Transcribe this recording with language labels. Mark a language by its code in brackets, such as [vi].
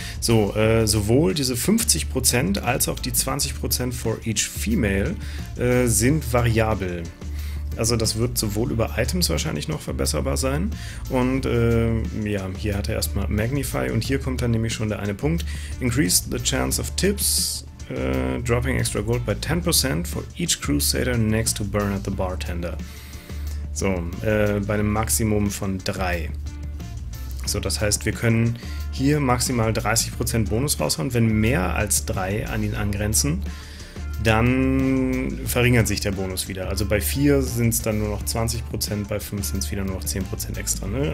[de] So, sowohl diese 50% als auch die 20% [en] for each female [de] sind variabel. Also das wird sowohl über Items wahrscheinlich noch verbesserbar sein. Und ja, hier hat er erstmal Magnify und hier kommt dann nämlich schon der eine Punkt. [en] Increase the chance of tips dropping extra gold by 10% for each crusader next to burn at the bartender. [de] So, bei einem Maximum von 3. So, das heißt, wir können hier maximal 30% Bonus raushauen. Wenn mehr als 3 an ihn angrenzen, dann verringert sich der Bonus wieder. Also bei 4 sind es dann nur noch 20%, bei 5 sind es wieder nur noch 10% extra. Ne?